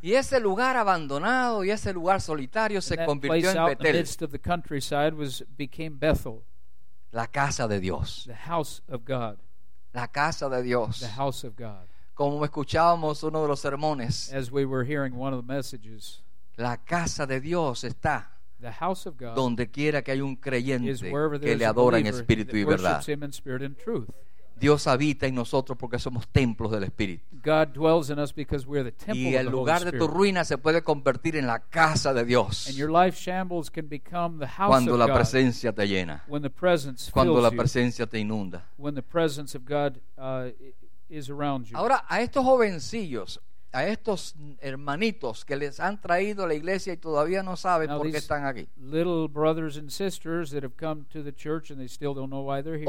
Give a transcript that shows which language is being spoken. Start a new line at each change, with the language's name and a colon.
Spanish: Y ese lugar abandonado y ese lugar solitario se convirtió en Betel.
English: And that place out in the midst of the countryside became Bethel.
Spanish: La casa de Dios.
English: The house of God.
Spanish: La casa de Dios.
English: The house of God.
Spanish: Como escuchábamos uno de los sermones.
English: As we were hearing one of the messages.
Spanish: La casa de Dios está.
English: The house of God.
Spanish: Donde quiera que hay un creyente que le adora en espíritu y verdad.
English: Worships him in spirit and truth.
Spanish: Dios habita en nosotros porque somos templos del Espíritu.
English: God dwells in us because we are the temple of the Holy Spirit.
Spanish: Y el lugar de tu ruina se puede convertir en la casa de Dios.
English: And your life shambles can become the house of God.
Spanish: Cuando la presencia te llena.
English: When the presence fills you.
Spanish: Cuando la presencia te inunda.
English: When the presence of God is around you.
Spanish: Ahora, a estos jovencillos, a estos hermanitos que les han traído a la iglesia y todavía no saben
English: now
Spanish: por qué están aquí.
English: Little brothers and sisters that have come to the church and they still don't know why they're here.